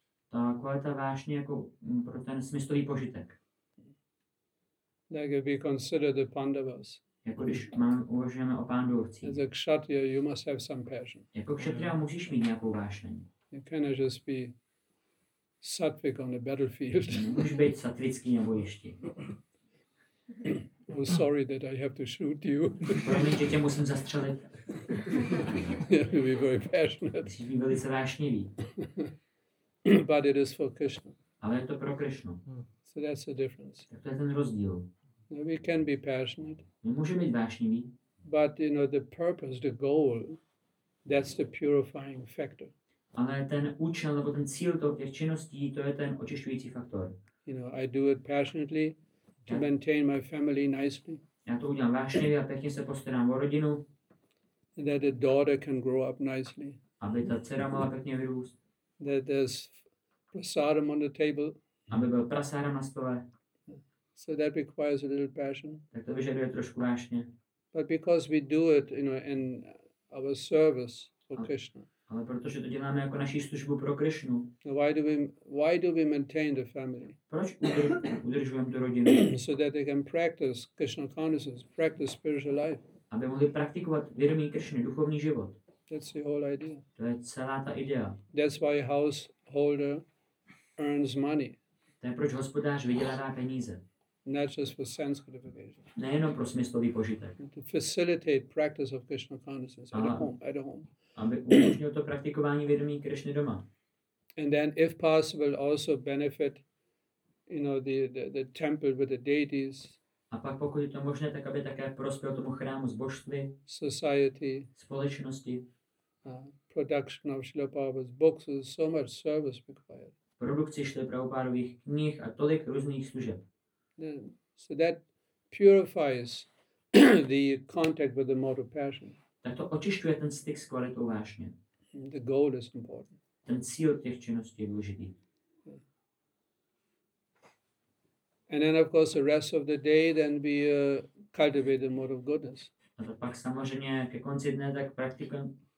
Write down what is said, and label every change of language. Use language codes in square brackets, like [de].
[cs] Ta kvalita vášně jako pro ten smyslový požitek. [en] Like if we consider the Pandavas. [cs] Jako když uvažujeme o pándovcích. [en] As a kshatriya, you must have some passion. [cs] Jako kshatriya musíš mít nějakou vášeň. [en] You cannot just be sattvic on the battlefield. [cs] Nemůžeš být sattvický na bojišti. [en] Oh, sorry that I have to shoot you. [cs] Promiň, že tě musím zastřelit. [en] You have to be very passionate. [cs] Musíš být velice vášnivý. [en] But it is for Krishna. [cs] Ale je to pro Krishnu. [en] So that's the difference. [cs] Tak to je ten rozdíl. [en] We can be passionate. [cs] My můžeme být vášniví. [en] But you know the purpose, the goal, that's the purifying factor. [cs] Ale ten účel nebo ten cíl toho činnosti, to je ten očišťující faktor. [en] You know, I do it passionately to maintain my family nicely. [cs] Já to udělám vášnivě a pěkně se postarám o rodinu. [en] And that the daughter can grow up nicely. [cs] Aby ta dcera mohla pěkně vyrůst. [en] That there's prasadam on the table. [cs] Aby byl prasadam na stole. [en] So that requires a little passion. [cs] Tak to vyžaduje trošku vášně. [en] But because we do it, you know, in our service for Krishna. [cs] Ale protože to děláme jako naši službu pro Krishnu. [en] So why do we maintain the family? [cs] Proč udržujeme tu rodinu? [en] So that they can practice Krishna consciousness, practice spiritual life. [cs] Aby mohli praktikovat vědomí Krishny, duchovní život. [en] That's the whole idea. [cs] To je celá ta idea. [en] That's why a householder earns money. [cs] To je proč hospodář vydělává peníze. [en] Not just for sense gratification. [cs] Nejenom pro smyslový požitek. [en] To facilitate practice of Krishna consciousness at home. [cs] Aby umožnil to praktikování vědomí Krishny doma. [en] And then, if possible, also benefit, you know, the temple with the deities. [cs] A pak, pokud je to možné, tak aby také prospěl tomu chrámu s božstvy. [en] Society. [cs] Společnosti. [en] Production of Srila Prabhupada's books is so much service required. [cs] Produkci Srila Prabhupádových knih a tolik různých služeb. [en] So that purifies the contact with the mode of passion. [cs] Tak to očišťuje ten styk s kvalitou vášně. [en] The goal is important. [cs] Ten cíl těch činností je důležitý. [en] And then of course the rest of the day then we cultivate the mode of goodness. [cs] A to pak samozřejmě ke konci dne tak praktikujeme.